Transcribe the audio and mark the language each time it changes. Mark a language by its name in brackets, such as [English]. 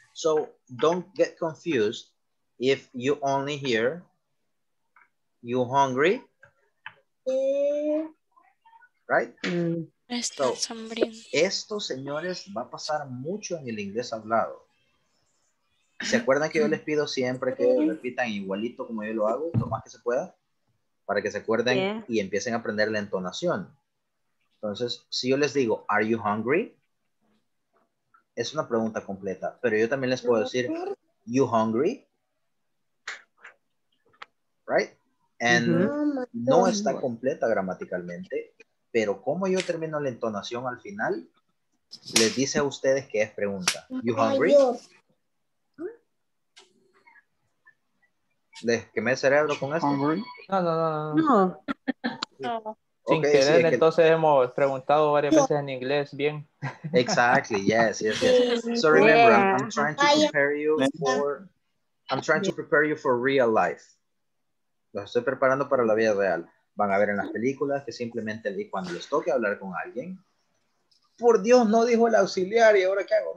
[English] So don't get confused if you only hear you hungry. Right? [Spanish] Estos señores va a pasar mucho en el inglés hablado. ¿Se acuerdan que yo les pido siempre que repitan igualito como yo lo hago, lo más que se pueda? Para que se acuerden y empiecen a aprender la entonación. Entonces, si yo les digo, [English] are you hungry? [Spanish] Es una pregunta completa. Pero yo también les puedo decir, [English] you hungry? [Spanish] Right? And no está completa gramaticalmente. Pero como yo termino la entonación al final, les dice a ustedes que es pregunta. [English] You hungry? [Spanish] ¿Les quemé el cerebro con eso? No. Sin querer, okay, sí, entonces hemos preguntado varias veces en inglés, bien. [English] Exactly, yes. So remember, I'm trying to prepare you for real life. [Spanish] Los estoy preparando para la vida real. Van a ver en las películas que simplemente cuando les toque hablar con alguien. Por Dios, no dijo el auxiliar y ahora qué hago.